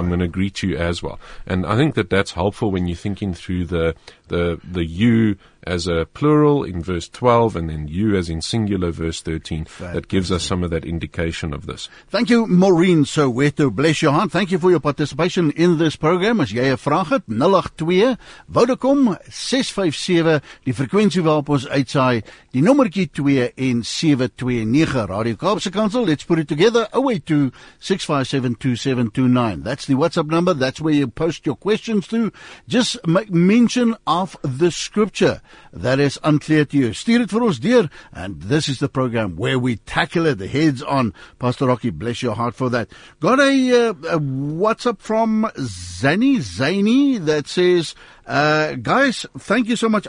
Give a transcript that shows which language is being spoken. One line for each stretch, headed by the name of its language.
English: I'm going to greet you as well. And I think that that's helpful when you're thinking through the you as a plural in verse 12 and then you as in singular, verse 13. Fantastic. That gives us some of that indication of this. Thank you, Maureen Soweto. Bless your heart. Thank you for your participation in this program.
Afrikaans: As jy 'n vraag het, 082 Vodacom 657, die frekwensie waarop ons uitsaai, die nommertjie 2 en 729, Radio Kaapse Kansel.
English: Let's put it together. 082-657-2729. That's the WhatsApp number. That's where you post your questions to. Just make mention of the scripture that is unclear to you.
Afrikaans: Stuur dit vir ons deur,
English: and this is the program where we tackle it, the heads on. Pastor Rocky, bless your heart for that. Got a WhatsApp from Zany that says, guys, thank you so much.